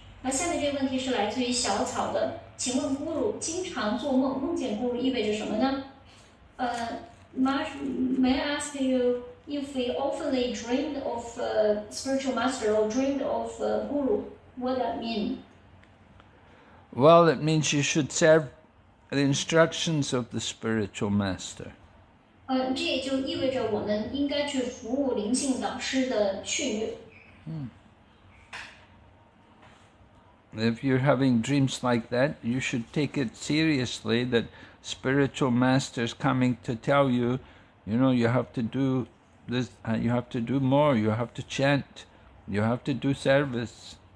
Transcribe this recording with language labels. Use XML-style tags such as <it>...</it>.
<zh>那下面这个问题是来自于小草的。请问咕噜经常做梦, 梦见咕噜意味着什么呢?</zh> <en>May I ask you, if we oftenly dreamed of a spiritual master or dreamed of a guru, what that mean? Well, it means you should serve the instructions of the spiritual master.</en> <zh>这也就意味着我们应该去服务灵性导师的训练。</zh> <en>If you're having dreams like that, you should take it seriously that spiritual master's coming to tell you, you know, you have to do this, you have to do more, you have to chant, you have to do service.</en>